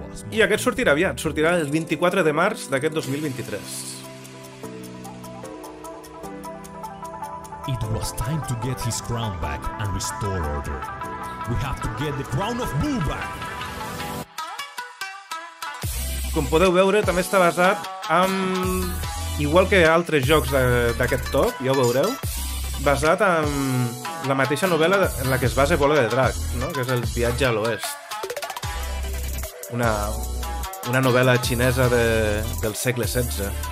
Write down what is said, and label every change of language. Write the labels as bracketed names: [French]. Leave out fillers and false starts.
[Catalan] I aquest sortirà aviat, sortirà el 24 de març d'aquest 2023. [English] It was time to get his crown back and restore order. We have to get the crown of Boo back. [Catalan] Com podeu veure, també està basat en... Igual que altres jocs d'aquest top, ja ho veureu, basat en la mateixa novel·la en la que es basa Bola de Drac, no? Que és El viatge a l'oest. Una novel·la xinesa del segle XVI.